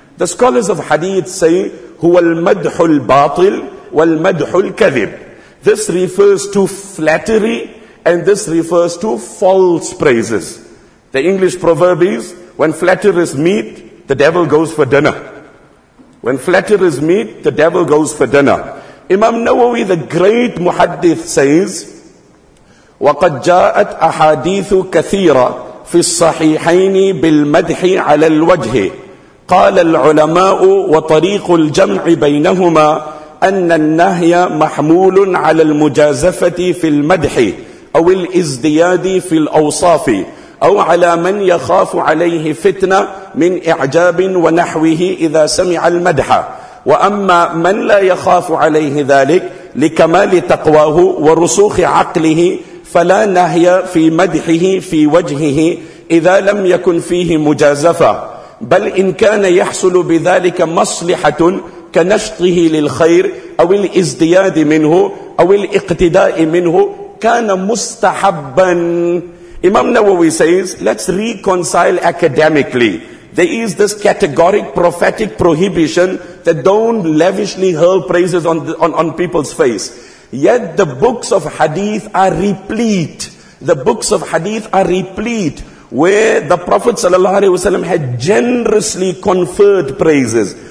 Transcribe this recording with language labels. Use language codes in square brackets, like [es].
[en] The scholars of hadith say, [ar] "Huwa al-madhu al-batil wal-madhu al-kadhib." [en] This refers to flattery, and this refers to false praises. The English proverb is, when flatterers meet, the devil goes for dinner. When flatterers meet, the devil goes for dinner. Imam Nawawi, the great muhaddith, says, [ar] وَقَدْ جَاءَتْ أَحَادِيثُ كَثِيرًا فِي الصَّحِيحَيْنِ بِالْمَدْحِ عَلَى الْوَجْهِ قَالَ الْعُلَمَاءُ وَطَرِيقُ الْجَمْعِ بَيْنَهُمَا أَنَّ النَّهْيَ مَحْمُولٌ عَلَى الْمُجَازَفَةِ فِي الْمَدْحِ أَوْ الْإِزْدِيَادِ فِي الْأَوْصَافِ أو على من يخاف عليه فتنة من إعجاب ونحوه إذا سمع المدح وأما من لا يخاف عليه ذلك لكمال تقواه ورسوخ عقله فلا نهي في مدحه في وجهه إذا لم يكن فيه مجازفة بل إن كان يحصل بذلك مصلحة كنشطه للخير أو الازدياد منه أو الاقتداء منه كان مستحباً." [en] Imam Nawawi says, let's reconcile academically. There is this categoric prophetic prohibition that don't lavishly hurl praises on people's face. Yet the books of hadith are replete. The books of hadith are replete where the Prophet sallallahu alaihi wasallam had generously conferred praises.